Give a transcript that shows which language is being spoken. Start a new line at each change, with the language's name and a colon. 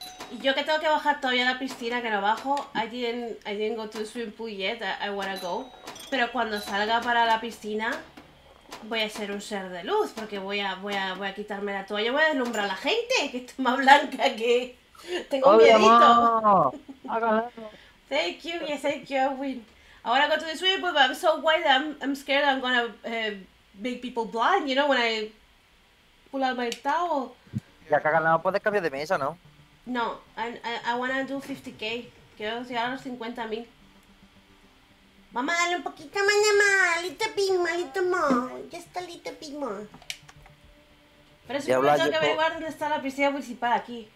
Spanish: Y yo que tengo que bajar todavía a la piscina, que no bajo.
English: I didn't go to the swimming pool yet, I wanna go.
Spanish: Pero cuando salga para la piscina... Voy a ser un ser de luz, porque voy a quitarme la toalla, voy a deslumbrar a la gente, que está más blanca que... Tengo miedito.
English: Thank you,
Spanish: Edwin.
English: I wanna go to the swimming pool, but I'm so white that I'm scared I'm gonna make people blind, you know, when I pull out my towel.
Spanish: Ya cagas, no puedes cambiar de mesa, ¿no?
English: No, I wanna do 50k,
Spanish: quiero llegar a los 50,000. Vamos a darle un poquito más nada más,
English: a little bit more. Just a little bit more.
Spanish: Pero supongo que tengo que averiguar dónde está la piscina municipal aquí.